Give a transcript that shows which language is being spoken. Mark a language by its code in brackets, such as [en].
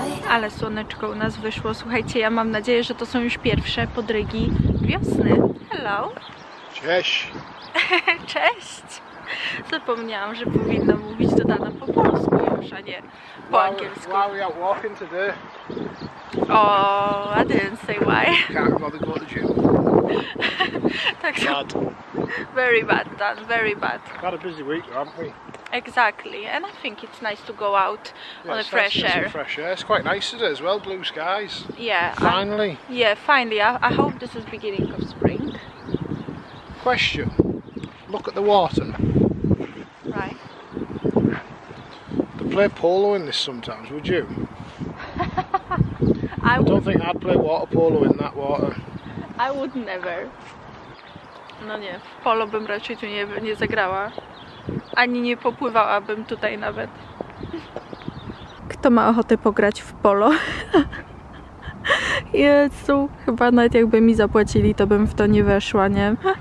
[pl] Ale słoneczko u nas wyszło. Słuchajcie, ja mam nadzieję, że to są już pierwsze podrygi wiosny. [en] Hello. [pl] Cześć. Cześć. Zapomniałam, że powinna mówić do Dana po polsku już, a nie po angielsku. [en] Why are we walking today? Oh, I didn't say why. Can't bother go to the gym. [pl] Tak. [en] Bad. Very bad, Dan, very bad. We've had a busy week, haven't we? Exactly, and I think it's nice to go out on it's the fresh nice air. Fresh air. It's quite nice today as well, blue skies. Yeah. Finally. Finally. I hope this is the beginning of spring. Question. Look at the water. Right. They play polo in this sometimes, would you? I don't think I'd play water polo in that water. I would never. [pl] No nie, w polo bym raczej tu nie zagrała. Ani nie popływałabym tutaj nawet. Kto ma ochotę pograć w polo? Jezu, chyba nawet jakby mi zapłacili, to bym w to nie weszła, nie?